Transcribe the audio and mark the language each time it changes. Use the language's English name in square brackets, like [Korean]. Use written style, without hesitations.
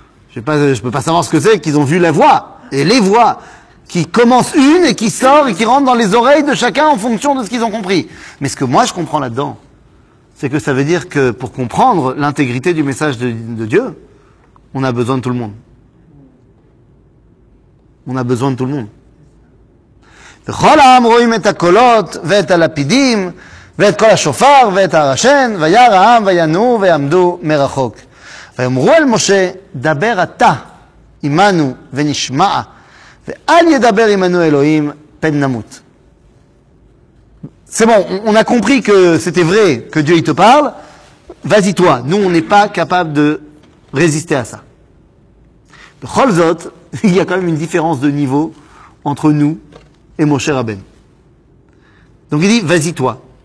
[French] Je peux pas savoir ce que c'est qu'ils ont vu la voix. Et les voix qui commencent une et qui sortent et qui rentrent dans les oreilles de chacun en fonction de ce qu'ils ont compris. Mais ce que moi je comprends là-dedans, c'est que ça veut dire que pour comprendre l'intégrité du message de Dieu, on a besoin de tout le monde. On a besoin de tout le monde. [Hebrew] וכל העם רואים את הקולות ואת הלפידים ואת כל השופר ואת הרשן וירא העם וינועו ויעמדו מרחוק. ויאמרו אל משה, דבר אתה עמנו ונשמע ואל ידבר עמנו אלוהים פן נמות. [French] C'est bon, on a compris que c'était vrai que Dieu il te parle. Vas-y toi, nous on n'est pas capable de résister à ça. [Hebrew] בכל זאת, [French] il y a quand même une différence de niveau entre nous et Moshe Rabbeinu. Donc il dit, vas-y toi.